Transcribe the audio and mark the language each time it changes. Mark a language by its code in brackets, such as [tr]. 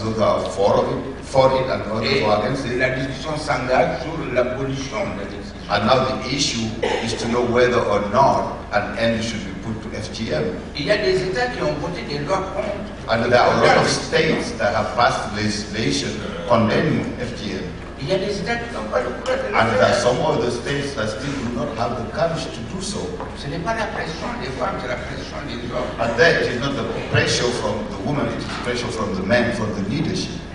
[en] Those are for it and others who are against it. [fr] La discussion s'engage sur l'abolition de l'exclusion. [en] And now the issue is to know whether or not an end should be put to FGM. [fr] Il y a des États qui ont voté des lois contre. [en] And there are a lot of states that have passed legislation condemning FGM. And there are some of the states that still do not have the courage to do so. But that is not the pressure from the woman, it is pressure from the men, from the leadership.